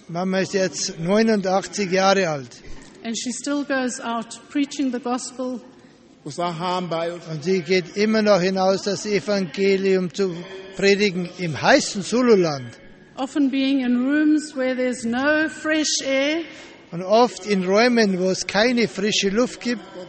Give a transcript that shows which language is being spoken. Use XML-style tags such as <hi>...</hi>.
<de>Mama ist jetzt 89 Jahre alt.</de> <en>And she still goes out preaching the gospel.</en> <de>Und sie geht immer noch hinaus, das Evangelium zu predigen im heißen Zululand.</de> <en>Often being in rooms where there's no fresh air.</en> <de>Und oft in Räumen, wo es keine frische Luft gibt.</de>